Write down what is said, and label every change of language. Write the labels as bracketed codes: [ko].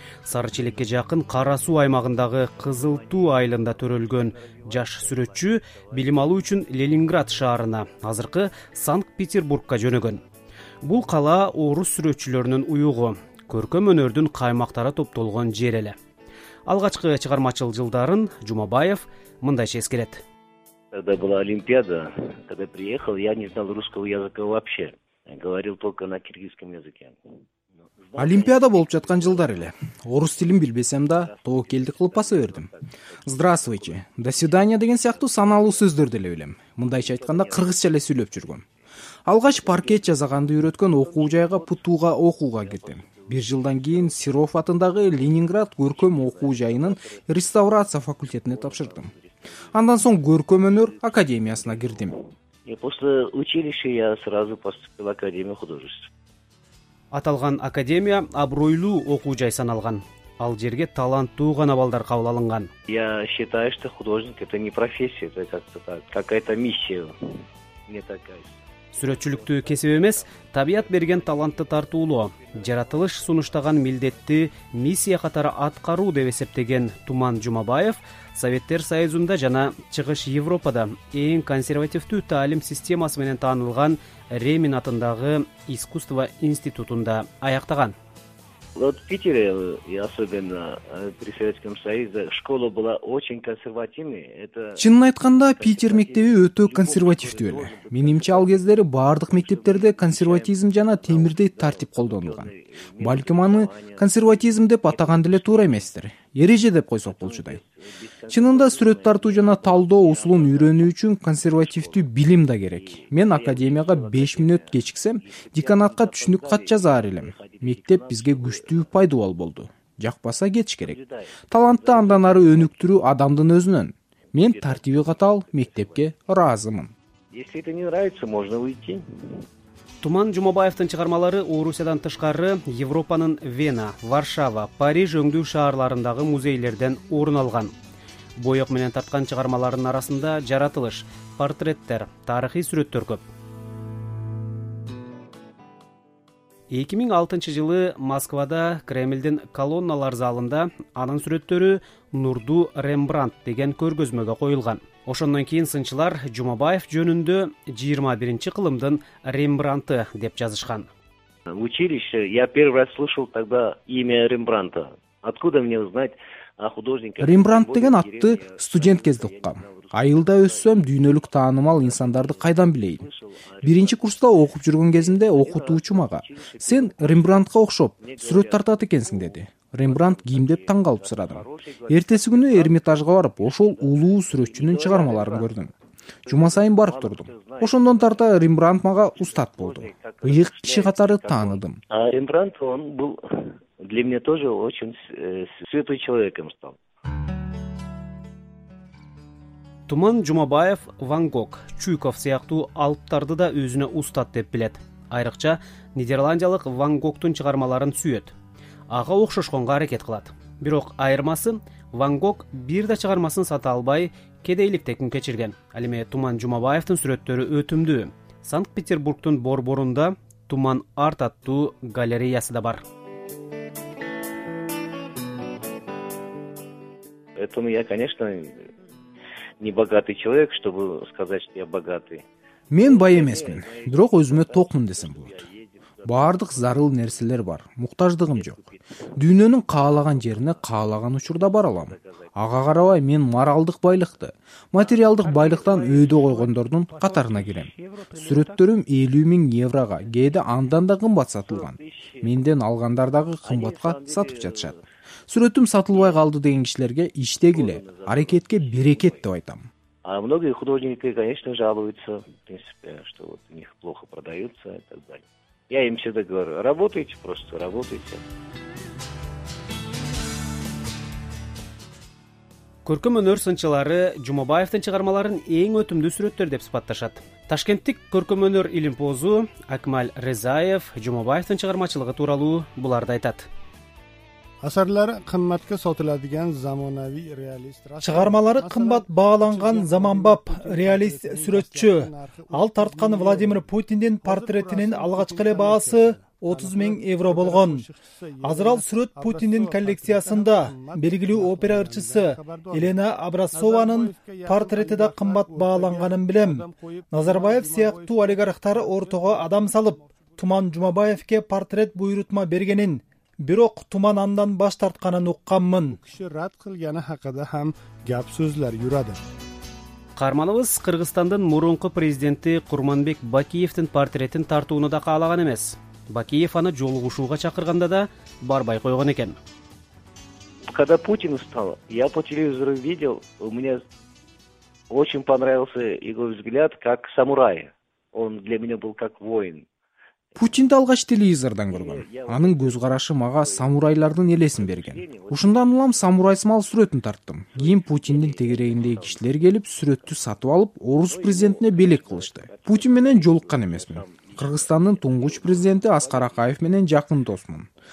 [ky] Сары Челекке жакын Кара Суу аймагындагы Кызыл Туу айылында төрөлгөн жаш сүрөтчү билим алуу үчүн Ленинград шаарына, азыркы Санкт-Петербургка жөнөгөн. Бул кала орус сүрөтчүлөрүнүн уюгу, көркөм өнөрдүн каймактары топтолгон жер эле. Алгачкы чыгармачыл жылдарын Жумабаев мындайча эскерет. [ru] Когда была Олимпиада, когда я приехал, я не знал русского языка вообще. Я говорил только на киргизском языке. [ky] Олимпиада болуп жаткан жылдар эле. Орус тилин билбесем да, тоо келди кылып баса бердим. [ru] Здравствуйте, до свидания [ky] деген сыяктуу саналуу сөздөр деле билем. Мындайча айтканда кыргызча эле сүйлөп жүргөм. Алгач паркет жасаганды үйрөткөн окуу жайга Путууга окууга кирдим. Бир жылдан кийин Сиров атындагы Ленинград көркөм окуу жайынын реставрация факультетине тапшырдым. Андан соң көркөм өнөр академиясына кирдим. [ru] После училища я сразу поступил в Академию художеств. [ky] Аталган академия абройлуу окуу жай саналган. Ал жерге таланттуу гана балдар кабыл алынган. [ru] Я считаю, что художник это не профессия, это как-то так, какая-то миссия. Не такая. [ky] Сүрөтчүлүктү кесип эмес, табият берген талантты тартуулоо, жаратылыш сунуштаган милдетти миссия катары аткаруу деп эсептеген Туман Жумабаев Советтер Союзунда жана Чыгыш Европада эң консервативдүү таалим системасы менен таанылган Ремин атындагы искусство институтунда аяктаган. [ru] Вот в Питере, и особенно при Советском Союзе, школа была очень консервативной. [ky] Чынын айтканда, Питер мектеби өтө консервативдүү эле. Менимче ал кездери бардык мектептерде консерватизм жана темирдей тартип колдонулган. Балким аны консерватизм деп атаган деле туура эместир. Эреже деп койсок болчудай. Чынында сүрөт тартуу жана талдоо усулун үйрөнүү үчүн консервативдүү билим да керек. Мен академияга 5 мүнөт кечиксем, деканатка түшүнүк кат жазар элем. Мектеп бизге күчтүү пайдубал болду. Жакпаса кетиш керек. Талантты андан ары өнүктүрүү адамдын өзүнөн. Мен тартиби катаал мектепке ыраазымын. [ru] Если это не нравится, можно уйти. [ky] Туман Жумабаевдин чыгармалары Орусиядан тышкары Европанын Вена, Варшава, Париж өңдүү шаарларындагы музейлерден орун алган. Боек менен тарткан чыгармаларынын арасында жаратылыш, портреттер, тарыхый сүрөттөр көп. 2006 жылы Москвада Кремлдин колонналар залында анын сүрөттөрү Нурду Рембрандт деген көргөзмөгө коюлган. Ошондон кийин сынчылар Жумабаев жөнүндө 21-чи кылымдын Рембрандты деп жазышкан. [ru] В училище я первый раз слышал тогда имя Рембрандта. Откуда мне узнать о художнике? [ky] Рембрандт деген атты студент кезде уккам. Айылда өссөм дүйнөлүк таанымал инсандарды кайдан билейин? Биринчи курста окуп жүргөн кезимде окутуучу мага: «Сен Рембрандтка окшоп, сүрөт тартат экенсиң» деди. Рембрандт ким деп таң калып сурадым. Эртеси күнү Эрмитажга барып, ошол улуу сүрөтчүнүн чыгармаларын көрдүм. Жума сайын барып турдум. Ошондон тарта Рембрандт мага устат болду. Ыйык киши катары тааныдым. [ru] А Рембрандт он был для меня тоже очень святой человеком стал. [ky] Туман Жумабаев Ван Гог, Чуйков сыяктуу алыптарды да өзүнө устат деп билет. Айрыкча нидерландиялык Ван Гогтун чыгармаларын сүйөт. Ага окшошконго аракет кылат. Бирок айырмасы, Ван Гог бир да чыгармасын сата албай кедейликте күн кечирген. Ал эми Туман Жумабаевдин сүрөттөрү өтүмдүү. Санкт-Петербургтун борборунда Туман Арт аттуу галереясы да бар. [ru] Этому я, конечно, не богатый человек, чтобы сказать, что я богатый. [ky] Мен бай эмесмин, бирок өзүмө токмун десем болот. Бардык зарыл нерселер бар, муктаждыгым жок. Дүйнөнүн каалаган жерине каалаган учурда бара алам. Ага карабай мен моралдык байлыкты, материалдык байлыктан өйдө койгондордун катарына кирем. Сүрөттөрүм 50,000 еврога, кээде андан да кымбат сатылган. Менден алгандар дагы кымбатка сатып жатышат. Сүрөтүм сатылбай калды деген кишилерге иштегиле, аракетке берекет деп айтам. [ru] А многие художники, конечно, жалуются, в принципе, что вот у них плохо продаются и так далее. Я им всегда говорю: работайте, просто работайте. [ky] Көркөм өнөр сынчылары Жумабаевдин чыгармаларын эң өтүмдүү сүрөттөр деп сыпатташат. Ташкенттик көркөм өнөр илимпозу Акмаль Рызаев Жумабаевдин чыгармачылыгы тууралуу буларды айтат. [uz] Асарлары кымбатка сотуладыган заманавий реалист. [ky] Чыгармалары кымбат бааланган заманбап реалист сүрөтчү. Ал тарткан Владимир Путиндин портретинин алгачкы эле баасы 30,000 евро болгон. Азыр ал сүрөт Путиндин коллекциясында. Белгилүү опера ырчысы Елена Абрасованын портрети да кымбат бааланганын билем. Назарбаев сыяктуу олигархтар ортого адам салып, Туман Жумабаевке портрет буйрутма бергенин, бирок Туман андан баш тартканын укканмын. Кишилер рад кылганы хакында хам гап сөздөр жүрөт. Карманыбыз Кыргызстандын мурунку президенти Курманбек Бакиевдин портретин тартууну да каалаган эмес. Бакиев аны жолугушууга чакырганда да барбай койгон экен. [ru] Когда Путин устал, я по телевизору видел, у меня очень понравился его взгляд как самурай. Он для меня был как воин. [ky] Путинди алгач телевизордон көргөм. Анын көз карашы мага самурайлардын элесин берген. Ушундан улам самурай смал сүрөтүн тарттым. Кийин Путиндин тегерегиндеги кишилер келип, сүрөттү сатып алып, орус президентине белек кылышты. Путин менен жолуккан эмесмин. Кыргызстандын туңгуч президенти Аскар Акаев менен жакын досмун.